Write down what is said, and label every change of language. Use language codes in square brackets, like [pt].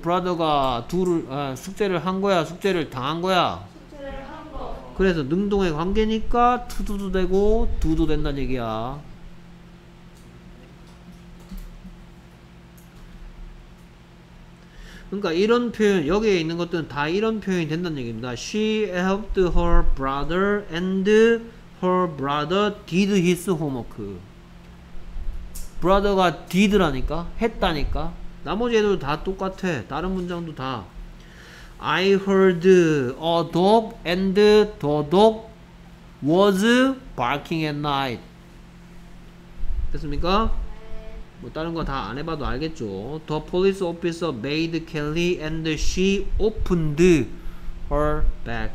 [ko] brother가 숙제를 한 거야? 숙제를 당한 거야? 그래서 능동의 관계니까 to도 되고 do도 된다는 얘기야. 그러니까 이런 표현 여기에 있는 것들은 다 이런 표현이 된다는 얘기입니다. [en] She helped her brother and her brother did his homework. [ko] brother가 did라니까 했다니까. 나머지 애들도 다 똑같아. 다른 문장도 다 [en] I heard a dog and the dog was barking at night. [ko] 됐습니까? 뭐 다른 거 다 안 해봐도 알겠죠. [en] The police officer made Kelly and she opened her bag.